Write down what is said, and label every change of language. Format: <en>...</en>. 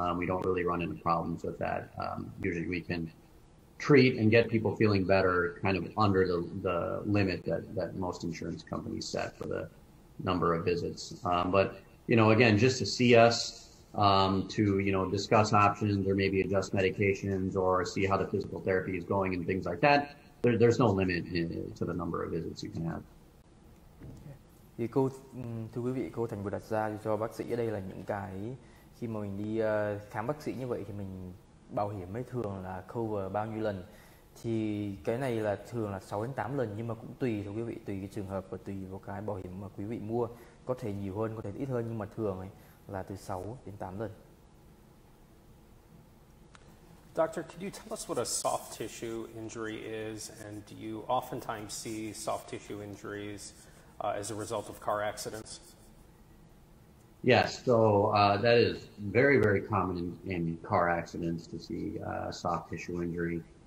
<en>We don't really run into problems with that. Usually we can treat and get people feeling better kind of under the limit that most insurance companies set for the number of visits. But, you know, again, just to see us, to, you know, discuss options or maybe adjust medications or see how the physical therapy is going and things like that, there's no limit to the number of visits you can have.</en> <vi>Thì cô, thưa quý vị, cô Thành vừa đặt ra cho bác sĩ ở đây là những cái khi mà mình đi khám bác sĩ như vậy thì mình bảo hiểm ấy thường là cover bao nhiêu lần. Thì cái này là thường là 6 đến 8 lần, nhưng mà cũng tùy, thưa quý vị, tùy cái trường hợp và tùy vào cái bảo hiểm mà quý vị mua. Có thể nhiều hơn, có thể ít hơn, nhưng mà thường ấy là từ 6 đến 8 lần.</vi> <en>Doctor, could you tell us what a soft tissue injury is, and do you oftentimes see soft tissue injuries as a result of car accidents? Yes, so that is very, very common in car accidents to see soft tissue injury.</en>